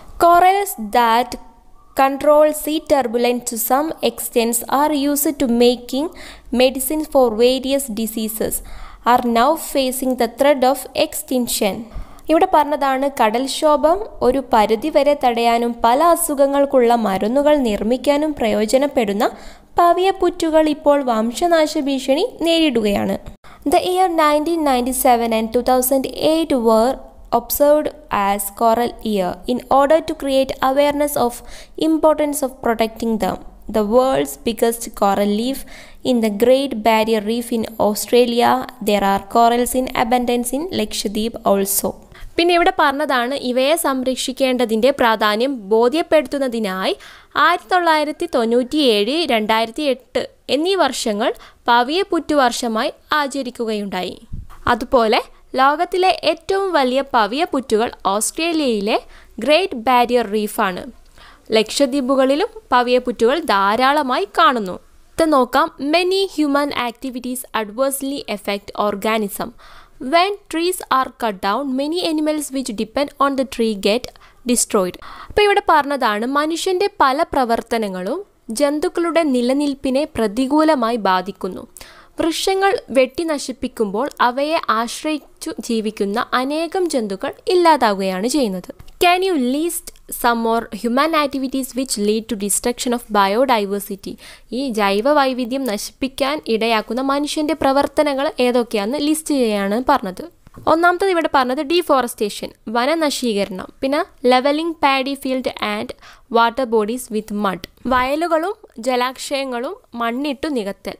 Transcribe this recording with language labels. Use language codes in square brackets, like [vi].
[en] Corals that control sea turbulence to some extents are used to making medicine for various diseases are now facing the threat of extinction. [ml] ഇവിടെ പറഞ്ഞതാണ് കടൽക്ഷോഭം ഒരു പരിധിവരെ തടയാനും പല അസുഖങ്ങൾക്കുള്ള മരുന്നുകൾ നിർമ്മിക്കാനും പ്രയോജനപ്പെടുന്ന പവിയ പുറ്റുകൾ ഇപ്പോൾ വംശനാശ ഭീഷണി നേരിടുകയാണ്. [en] The year 1997 and 2008 were observed as coral year in order to create awareness of importance of protecting them. The world's biggest coral reef in the Great Barrier Reef in Australia, there are corals in abundance in Lakshadweep also. [ml] പിന്നെ ഇവിടെ പറഞ്ഞതാണ് ഇവയെ സംരക്ഷിക്കേണ്ടതിൻ്റെ പ്രാധാന്യം ബോധ്യപ്പെടുത്തുന്നതിനായി 1997, 2008 എന്നീ വർഷങ്ങൾ പവിയ പുറ്റു വർഷമായി ആചരിക്കുകയുണ്ടായി. അതുപോലെ ലോകത്തിലെ ഏറ്റവും വലിയ പവിയ പുറ്റുകൾ ഓസ്ട്രേലിയയിലെ ഗ്രേറ്റ് ബാരിയർ റീഫാണ്. ലക്ഷദ്വീപുകളിലും പവിയ പുറ്റുകൾ ധാരാളമായി കാണുന്നു. ഇത് നോക്കാം, [en] Many human activities adversely effect organism. When trees are cut down many animals which depend on the tree get destroyed. [ml] അപ്പോൾ ഇവിടെ പറഞ്ഞതാണ് മനുഷ്യൻ്റെ പല പ്രവർത്തനങ്ങളും ജന്തുക്കളുടെ നിലനിൽപ്പിനെ പ്രതികൂലമായി ബാധിക്കുന്നു. വൃക്ഷങ്ങൾ വെട്ടി നശിപ്പിക്കുമ്പോൾ അവയെ ആശ്രയിച്ചു ജീവിക്കുന്ന അനേകം ജന്തുക്കൾ ഇല്ലാതാവുകയാണ് ചെയ്യുന്നത്. [en] Can you list some more human activities which lead to destruction of biodiversity? [ml] ഈ ജൈവ വൈവിധ്യം നശിപ്പിക്കാൻ ഇടയാക്കുന്ന മനുഷ്യൻ്റെ പ്രവർത്തനങ്ങൾ ഏതൊക്കെയാണ് ലിസ്റ്റ് ചെയ്യാണ് പറഞ്ഞത്. ഒന്നാമത്തത് ഇവിടെ പറഞ്ഞത് ഡീഫോറസ്റ്റേഷൻ, വനനശീകരണം. പിന്നെ [en] levelling paddy field and water bodies with mud, [ml] വയലുകളും ജലാശയങ്ങളും മണ്ണിട്ടു നികത്തൽ.